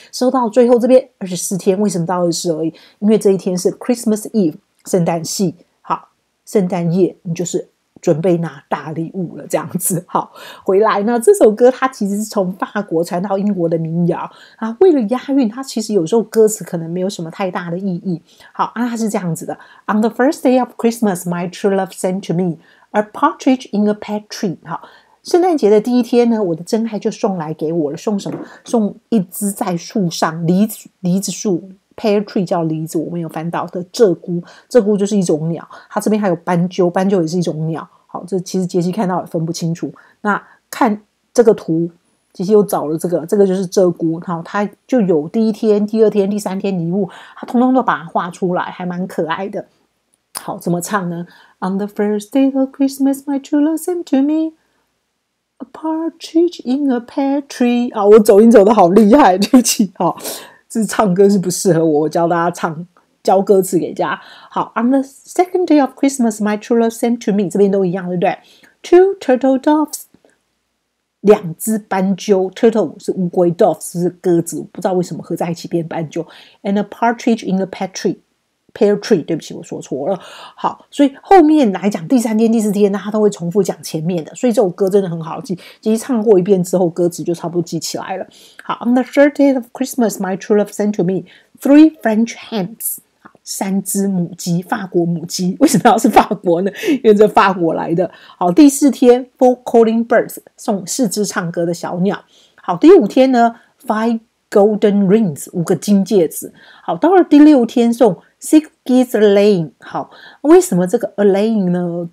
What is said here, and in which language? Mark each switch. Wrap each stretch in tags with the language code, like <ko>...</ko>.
<zh>收到最后这边24天，为什么到20而已？因为这一天是 Christmas Eve， 圣诞夕，好，圣诞夜你就是准备拿大礼物了，这样子。好，回来呢，这首歌它其实是从法国传到英国的民谣啊，为了押韵，它其实有时候歌词可能没有什么太大的意义。好啊，它是这样子的</zh> <en>：On the first day of Christmas, my true love sent to me a partridge in a pear tree。</en> <zh>好，圣诞节的第一天呢，我的真爱就送来给我了，送什么？送一只在树上梨子树。 Pear tree 叫梨子，我们有翻到的鹧鸪就是一种鸟，它这边还有斑鸠也是一种鸟。好，这其实杰西看到也分不清楚，那看这个图杰西又找了这个就是鹧鸪。好，它就有第一天、第二天、第三天礼物，它通通都把它画出来，还蛮可爱的。好，怎么唱呢？</zh> <en>On the first day of Christmas, my true love sent to meA partridge in a pear tree。</en> <zh>啊，我走音走得好厉害，对不起。好，是唱歌是不适合我，我教大家唱，教歌词给大家。好 ，</zh> <en>On the second day of Christmas, my true love sent to me，</en> <zh>这边都一样，对不对 ？</zh> <en>Two turtle doves，</en> <zh>两只斑鸠 ，turtle 是乌龟 ，doves 是鸽子，不知道为什么合在一起变斑鸠 ，</zh> <en>and a partridge in a pear tree，</en> <zh>对不起，我说错了。好，所以后面来讲，第三天、第四天，那他都会重复讲前面的，所以这首歌真的很好记。其实唱过一遍之后，歌词就差不多记起来了。</zh> <en>好 ，On the third day of Christmas, my true love sent to me three French hens，</en> <zh>三只母鸡，法国母鸡。为什么要是法国呢？因为这法国来的。好，第四天 ，</zh> <en>four calling birds，</en> <zh>送四只唱歌的小鸟。好，第五天呢 ，</zh> <en>five golden rings，</en> <zh>五个金戒指。好，到了第六天送</zh> <en>Six geese laying。</en> <zh>好，为什么这个 a laying 呢？</zh>